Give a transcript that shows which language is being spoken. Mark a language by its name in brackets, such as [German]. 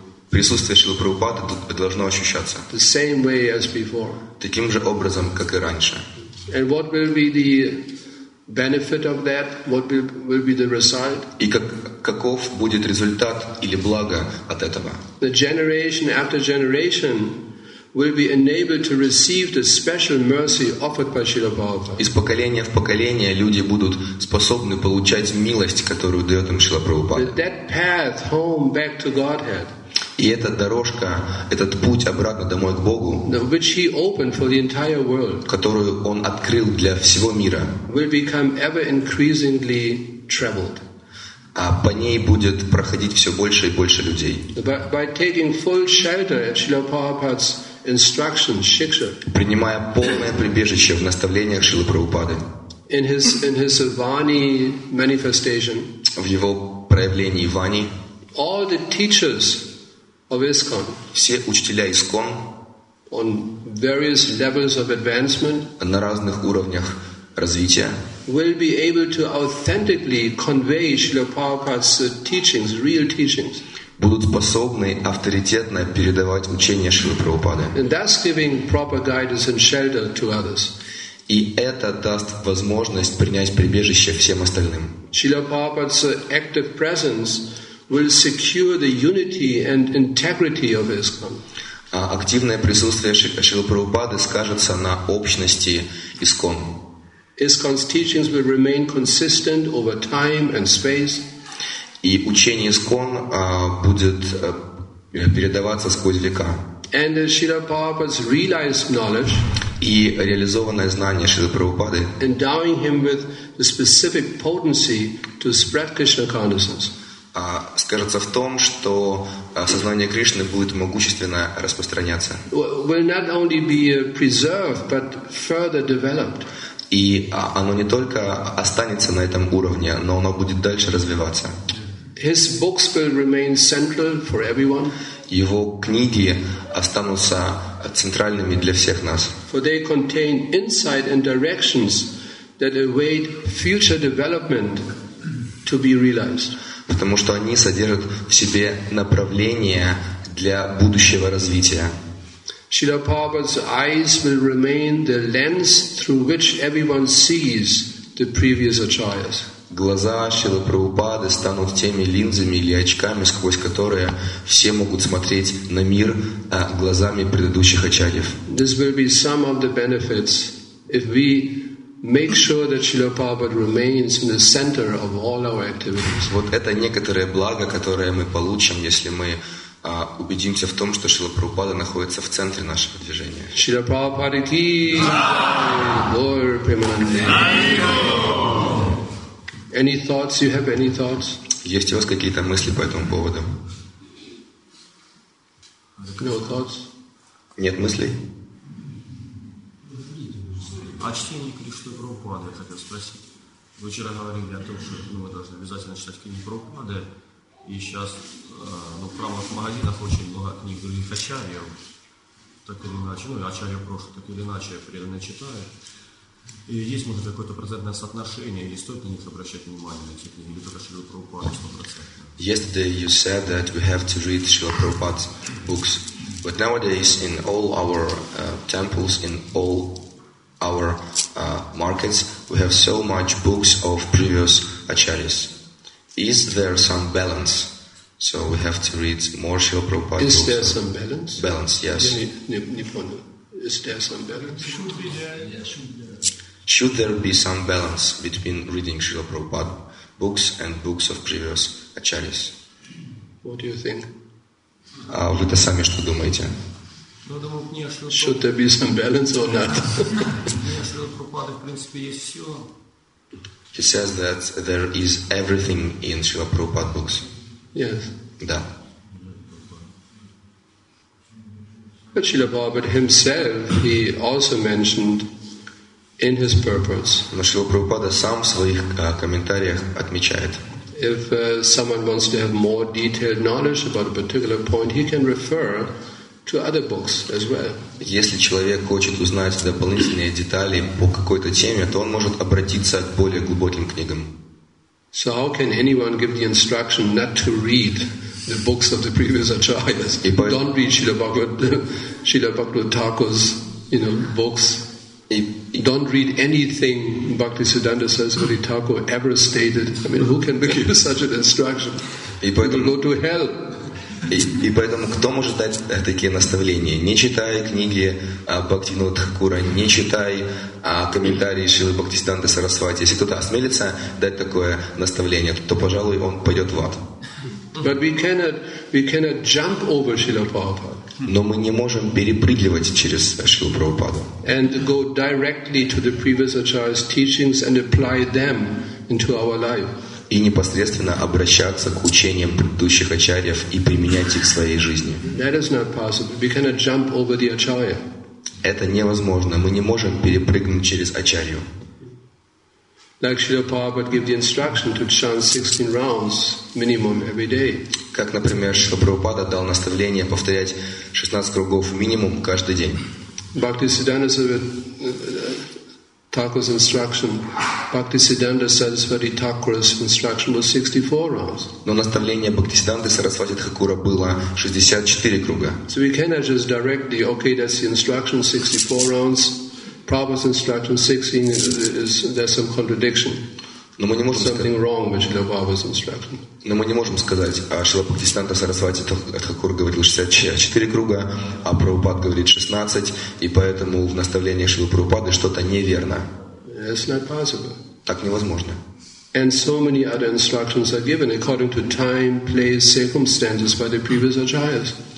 [Russian] Присутствие Шрилы Прабхупады должно ощущаться. [English] The same way as before. [Russian] Таким же образом, как и раньше. [English] And what will be the benefit of that? What will be the result? [Russian] И каков будет результат или благо от этого? [English] The generation after generation will be enabled to receive the special mercy offered by Srila Prabhupada. [Russian] Из поколения в поколение люди будут способны получать милость, которую дает им Шрила Прабхупада. [English] That path home back to Godhead. [Russian] И эта дорожка, этот путь обратно домой к Богу, [English] which he opened for the entire world, [Russian] которую он открыл для всего мира, [English] will become ever increasingly traveled. [Russian] А по ней будет проходить все больше и больше людей. [English] By taking full shelter at Srila Prabhupada's instructions, shiksha. [Russian] Принимая полное прибежище в наставлениях Шрилы Прабхупады. [English] In his vani manifestation. [Russian] В его проявлении вани. [English] All the teachers of ISKCON. [Russian] Все учителя ISKCON. [English] On various levels of advancement. [Russian] На разных уровнях развития. [English] Will be able to authentically convey Srila Prabhupada's teachings, real teachings. [Russian] будут способны авторитетно передавать учение Шрилы Прабхупады. [English] And thus giving proper guidance and shelter to others. [Russian] И это даст возможность принять прибежище всем остальным. [English] Шрила Прабхупада's active presence will secure the unity and integrity of ISKCON. [Russian] А активное присутствие Шрилы Прабхупады скажется на общности ISKCON. [English] ISKCON's teachings will remain consistent over time and space. [Russian] И учение ISKCON будет передаваться сквозь века. [English] And Srila Prabhupada's realized knowledge, [Russian] и реализованное знание Шрилы Прабхупады, [English] endowing him with the specific potency to spread Krishna consciousness, [Russian] скажется в том, что сознание Кришны будет могущественно распространяться. [English] Will not only be preserved, but further developed. [Russian] И оно не только останется на этом уровне, но оно будет дальше развиваться. [English] His books will remain central for everyone. [Russian] Его книги останутся центральными для всех нас. [English] For they contain insight and directions that await future development to be realized. [Russian] Потому что они содержат в себе направления для будущего развития. [English] Srila Prabhupada's eyes will remain the lens through which everyone sees the previous acharyas. [Russian] Глаза Шрилы Прабхупады станут теми линзами или очками, сквозь которые все могут смотреть на мир глазами предыдущих ачарьев. [English] This will be some of the benefits if we make sure that Srila Prabhupada remains in the center of all our activities. [Russian] Вот это некоторое благо, которое мы получим, если мы убедимся в том, что Шрила Прабхупада находится в центре нашего движения. [English] Шрила Прабхупада ки, Гаура Премананда. Any thoughts? You have any thoughts? [Russian] Есть у вас какие-то мысли по этому поводу? [English] No thoughts? [Russian] Нет мыслей? О чтении Кришны Прабхупады я хотел спросить. Вы вчера говорили о том, что мы должны обязательно читать книги Прабхупады. И сейчас в правых магазинах очень много книг других ачарьев. Так или иначе, ачарья прошлого, так или иначе, преданно читают. И есть, может, какое-то процентное соотношение, и стоит на них обращать внимание на эти книги, или только Шрила Прабхупада 100%. [English] Yesterday you said that we have to read Srila Prabhupada's books. But nowadays in all our temples, in all our markets, we have so much books of previous acharyas. Is there some balance? So we have to read more Srila Prabhupada books. Is there some balance? Balance, yes. Is there some balance? Should be there. Yes, should be there. Should there be some balance between reading Srila Prabhupada books and books of previous acharyas? What do you think? [Russian] Вы-то сами что думаете? [English] Should there be some balance or not? [Russian] Srila Prabhupada, в принципе, есть все. [English] He says that there is everything in Srila Prabhupada books. Yes. [Russian] Да. [English] But Srila Prabhupada himself, he also mentioned in his purpose. [Russian] Но Шрила Прабхупада сам в своих комментариях отмечает. [English] If someone wants to have more detailed knowledge about a particular point, he can refer to other books as well. [Russian] Если человек хочет узнать дополнительные детали по какой-то теме, то он может обратиться к более глубоким книгам. [English] So how can anyone give the instruction not to read the books of the previous acharyas? Don't read Srila Bhaktivedanta Thakur's, books. Don't read anything Bhaktisiddhanta Saraswati Thakur ever stated. Who can give such an instruction? People go to hell. [Russian] И поэтому, кто может дать такие наставления? Не читай книги Бхактивинода Тхакура, не читай комментарии Шрилы Бхактисиддханты Сарасвати. Если кто-то осмелится дать такое наставление, то, пожалуй, он пойдет в ад. [English] But we cannot jump over Srila Prabhupada. [Russian] Но мы не можем перепрыгивать через Шрилу Прабхупаду. [English] And go directly to the previous acharya's teachings and apply them into our life. [Russian] И непосредственно обращаться к учениям предыдущих ачарьев и применять их в своей жизни. [English] That is not possible. We cannot jump over the acharya. [Russian] Это невозможно. Мы не можем перепрыгнуть через ачарью. [English] Like Srila Prabhupada gave the instruction to chant 16 rounds minimum every day. [Russian] Как, например, Шрила Прабхупада дал наставление повторять 16 кругов минимум каждый день. [English] Бхактисиддханта Thakur's instruction, Bhaktisiddhanta Sarasvati Thakur's instruction was 64 rounds. [Russian] Но наставление Бхактисиддханты Сарасвати Тхакура было 64 круга. [English] So we cannot just directly, okay, that's the instruction, 64 rounds. Prabhupada's instruction, 16, is there's some contradiction. [Russian] Но мы не можем [English] something wrong with Srila Prabhupada's instruction. [Russian] Но мы не можем сказать, а Шрила Бхактисиддханта Сарасвати Тхакур говорил 64 круга, а Прабхупад говорит 16, и поэтому в наставлении Шрилы Прабхупады что-то неверно. [English] It's not possible. [Russian] Так невозможно. [English] And so many other instructions are given according to time, place, circumstances by the previous acharyas.